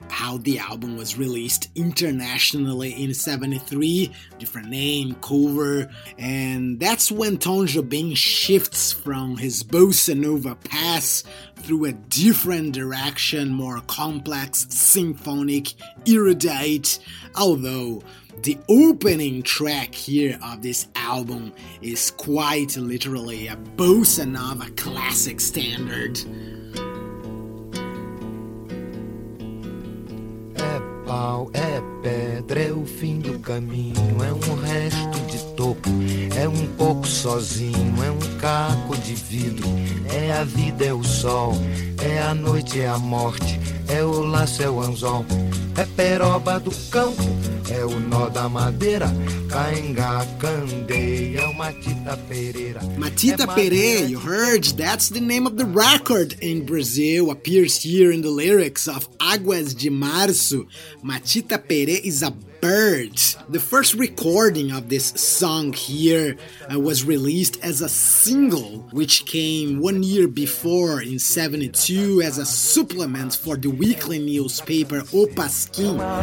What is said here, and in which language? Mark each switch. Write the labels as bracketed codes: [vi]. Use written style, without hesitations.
[en] How the album was released internationally in 73, different name, cover, and that's when Tom Jobim shifts from his bossa nova past through a different direction, more complex, symphonic, erudite, although the opening track here of this album is quite literally a bossa nova classic standard. [pt] É pau, é pedra, é o fim do caminho, é um resto de topo, é um pouco sozinho, é um caco de vidro, é a vida, é o sol, é a noite, é a morte, é o laço, é o anzol, é peroba do campo, é o nó da madeira, caenga, candeia, é uma Tita Pereira. [en] Matita Perê, you heard, that's the name of the record in Brazil, appears here in the lyrics of Águas de Março. Matita Perê is a bird. The first recording of this song here was released as a single, which came 1 year before in 72 as a supplement for the weekly newspaper O Pasquim.